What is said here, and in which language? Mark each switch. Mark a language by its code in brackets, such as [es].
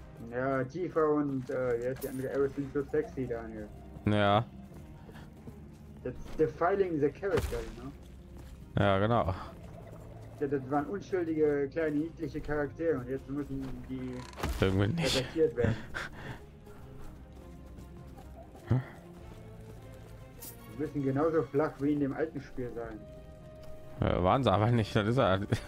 [de] Ja, Tifa und jetzt die andere Aerith sind so sexy, Daniel. Ja. [en] That's defiling the character, you know? [de] Ja, genau. Ja, das waren unschuldige, kleine, niedliche Charaktere und jetzt müssen die irgendwie nicht attackiert werden. Sie müssen genauso flach wie in dem alten Spiel sein. Waren sie aber nicht, das ist er.